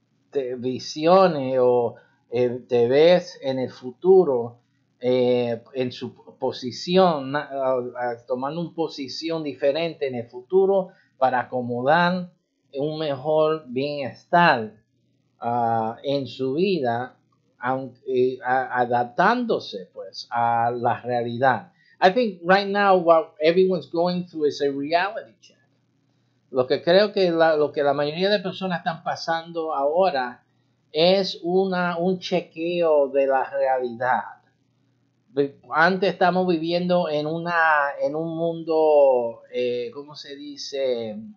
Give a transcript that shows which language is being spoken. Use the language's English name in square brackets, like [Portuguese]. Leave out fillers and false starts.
[Spanish] te visione o te ves en el futuro, en su posición, tomando una posición diferente en el futuro para acomodar un mejor bienestar en su vida, adaptándose pues a la realidad. [English] I think right now what everyone's going through is a reality check. [Spanish] Lo que creo que lo que la mayoría de personas están pasando ahora es un chequeo de la realidad. antes estamos viviendo en una en un mundo ¿cómo se dice?